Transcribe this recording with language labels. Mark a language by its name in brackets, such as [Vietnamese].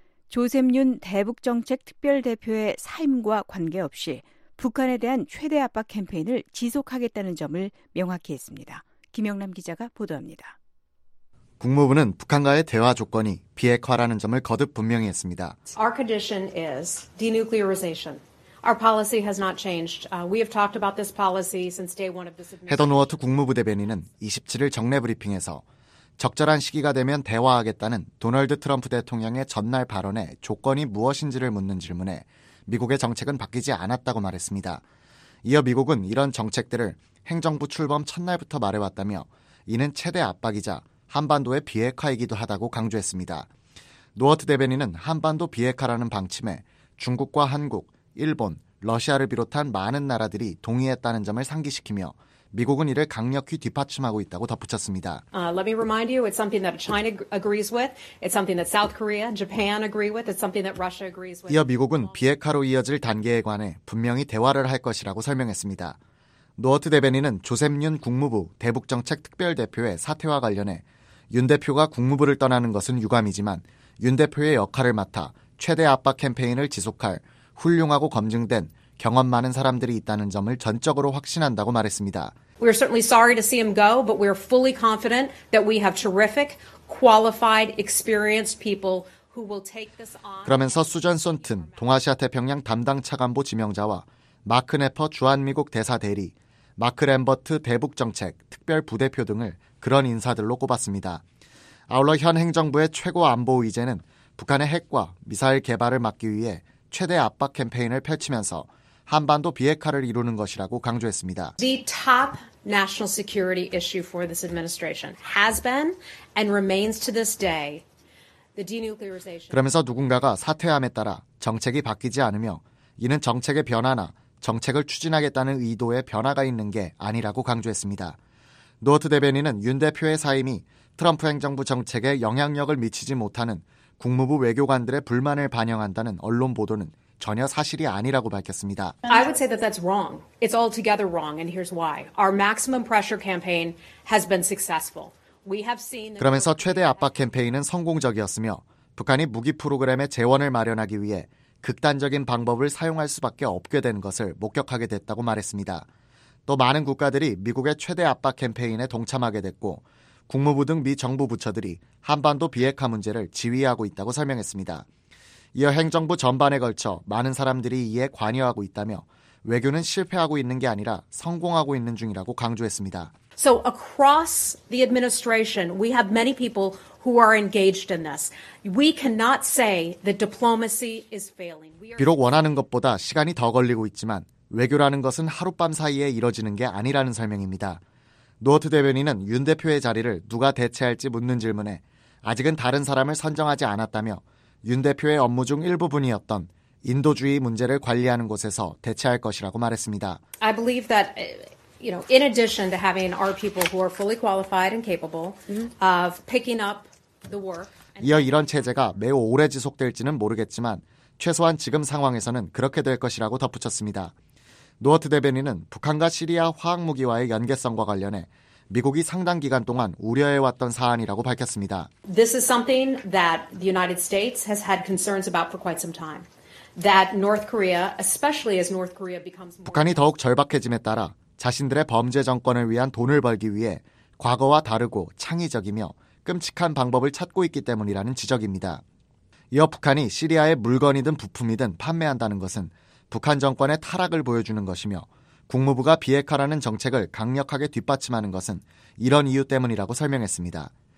[Korean] 조셉윤 대북정책특별대표의 사임과 관계없이 북한에 대한 최대 압박 캠페인을 지속하겠다는 점을 명확히 했습니다. 김영남 기자가 보도합니다. 국무부는 북한과의 대화 조건이 비핵화라는 점을 거듭 분명히 했습니다. [English] Our condition is denuclearization. Our policy has not changed. We have talked about this policy since day one of this administration. [Korean] 헤더 노어트 국무부 대변인은 27일 정례 브리핑에서 적절한 시기가 되면 대화하겠다는 도널드 트럼프 대통령의 전날 발언에 조건이 무엇인지를 묻는 질문에 미국의 정책은 바뀌지 않았다고 말했습니다. 이어 미국은 이런 정책들을 행정부 출범 첫날부터 말해왔다며 이는 최대 압박이자 한반도의 비핵화이기도 하다고 강조했습니다. 노어트 대변인은 한반도 비핵화라는 방침에 중국과 한국, 일본, 러시아를 비롯한 많은 나라들이 동의했다는 점을 상기시키며 미국은 이를 강력히 뒷받침하고 있다고 덧붙였습니다. [English] Let me remind you, it's something that China agrees with. It's something that South Korea and Japan agree with. It's something that Russia agrees with. [Korean] 이어 미국은 비핵화로 이어질 단계에 관해 분명히 대화를 할 것이라고 설명했습니다. 노어트 대변인은 조셉윤 국무부 대북정책특별대표의 사퇴와 관련해 윤 대표가 국무부를 떠나는 것은 유감이지만 윤 대표의 역할을 맡아 최대 압박 캠페인을 지속할 훌륭하고 검증된 경험 많은 사람들이 있다는 점을 전적으로 확신한다고 말했습니다. [English] We are certainly sorry to see him go, but we are fully confident that we have terrific, qualified, experienced people who will take this on. [Korean] 그러면서 수잔 손튼 동아시아 태평양 담당 차관보 지명자와 마크 네퍼 주한미국 대사 대리, 마크 램버트 대북정책 특별 부대표 등을 그런 인사들로 꼽았습니다. 아울러 현 행정부의 최고 안보 의제는 북한의 핵과 미사일 개발을 막기 위해 최대 압박 캠페인을 펼치면서 한반도 비핵화를 이루는 것이라고 강조했습니다. [English] The top national security issue for this administration has been and remains to this day the denuclearization. [Korean] 그러면서 누군가가 사퇴함에 따라 정책이 바뀌지 않으며 이는 정책의 변화나 정책을 추진하겠다는 의도에 변화가 있는 게 아니라고 강조했습니다. 노어트 대변인은 윤 대표의 사임이 트럼프 행정부 정책에 영향력을 미치지 못하는 국무부 외교관들의 불만을 반영한다는 언론 보도는 전혀 사실이 아니라고 밝혔습니다. [English] I would say that that's wrong. It's altogether wrong, and here's why. Our maximum pressure campaign has been successful. We have seen. [Korean] 그러면서 최대 압박 캠페인은 성공적이었으며 북한이 무기 프로그램의 재원을 마련하기 위해 극단적인 방법을 사용할 수밖에 없게 된 것을 목격하게 됐다고 말했습니다. 또 많은 국가들이 미국의 최대 압박 캠페인에 동참하게 됐고 국무부 등 미 정부 부처들이 한반도 비핵화 문제를 지휘하고 있다고 설명했습니다. 이어 행정부 전반에 걸쳐 많은 사람들이 이에 관여하고 있다며 외교는 실패하고 있는 게 아니라 성공하고 있는 중이라고 강조했습니다. [English] So across the administration, we have many people who are engaged in this. We cannot say that diplomacy is failing. [Korean] 비록 원하는 것보다 시간이 더 걸리고 있지만 외교라는 것은 하룻밤 사이에 이뤄지는 게 아니라는 설명입니다. 노어트 대변인은 윤 대표의 자리를 누가 대체할지 묻는 질문에 아직은 다른 사람을 선정하지 않았다며 윤 대표의 업무 중 일부분이었던 인도주의 문제를 관리하는 곳에서 대체할 것이라고 말했습니다. [English] I believe that, you know, in addition to having our people who are fully qualified and capable of picking up the work. [Korean] 이어 이런 체제가 매우 오래 지속될지는 모르겠지만 최소한 지금 상황에서는 그렇게 될 것이라고 덧붙였습니다. 노어트 대변인은 북한과 시리아 화학무기와의 연계성과 관련해 미국이 상당 기간 동안 우려해왔던 사안이라고 밝혔습니다. [English] This is something that the United States has had concerns about for quite some time. That North Korea, especially as North Korea becomes more [Korean] 북한이 더욱 절박해짐에 따라 자신들의 범죄 정권을 위한 돈을 벌기 위해 과거와 다르고 창의적이며 끔찍한 방법을 찾고 있기 때문이라는 지적입니다. 이어 북한이 시리아에 물건이든 부품이든 판매한다는 것은 북한 정권의 타락을 보여주는 것이며 국무부가 비핵화라는 정책을 강력하게 뒷받침하는 것은 이런 이유 때문이라고 설명했습니다.